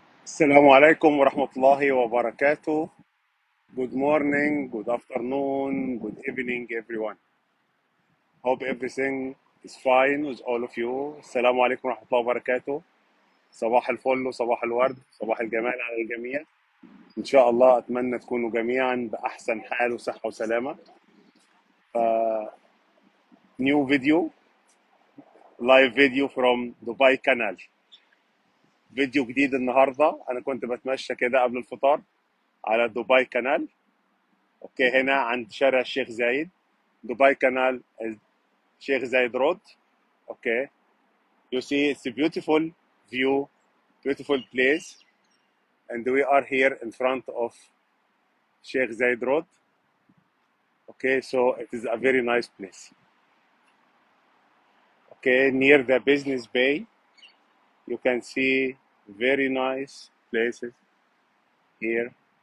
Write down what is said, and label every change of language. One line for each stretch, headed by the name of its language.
Arabic: السلام عليكم ورحمة الله وبركاته.
English: Good morning, good afternoon, good evening, everyone. Hope everything is fine with all of you.
Arabic: السلام عليكم ورحمة الله وبركاته. صباح الفل وصباح الورد، صباح الجمال على الجميع. إن شاء الله أتمنى تكونوا جميعا بأحسن حال وصحة وسلامة.
English: New video, live video from Dubai Canal.
Arabic: فيديو جديد النهاردة. أنا كنت بتمشى كده قبل الفطار على دبي كانال. أوكي، هنا عند شارع الشيخ زايد، دبي كانال الشيخ زايد رود.
English: Okay, you see it's a beautiful view, beautiful place, and we are here in front of Sheikh Zayed road. Okay, so it is a very nice place. Okay, near the business bay, you can see very nice places here.